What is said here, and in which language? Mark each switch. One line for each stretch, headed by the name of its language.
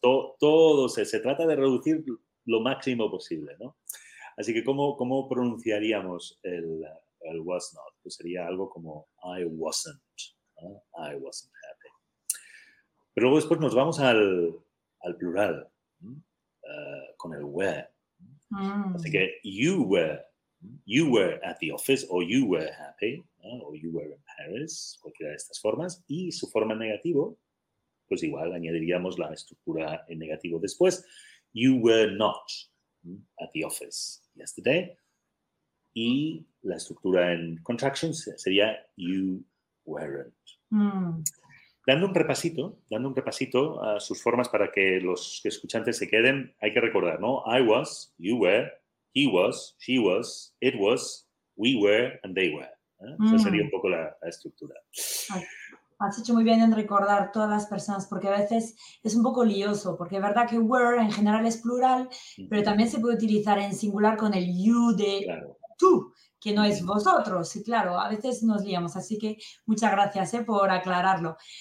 Spanish: Todo se trata de reducir lo máximo posible, ¿no? Así que, ¿cómo pronunciaríamos el
English: was not?
Spanish: Pues sería algo como
English: I wasn't.
Spanish: ¿No?
English: I wasn't happy.
Spanish: Pero luego después nos vamos al plural, con el were. Así que,
English: You were at the office, or you were happy,
Spanish: ¿no?
English: Or you were in Paris,
Spanish: cualquiera de estas formas. Y su forma en negativo, pues igual añadiríamos la estructura en negativo después.
English: You were not at the office yesterday.
Spanish: Y la estructura en contractions sería
English: you weren't.
Spanish: Dando un repasito a sus formas para que los escuchantes se queden, hay que recordar, ¿no?
English: I was, you were, he was, she was, it was, we were, and they were.
Spanish: Esa sería un poco la estructura. Ay, has hecho muy bien en recordar todas las personas, porque a veces es un poco lioso, porque es verdad que were en general es plural, pero también se puede utilizar en singular con el you de tú, que no es vosotros. Y claro, a veces nos liamos, así que muchas gracias por aclararlo.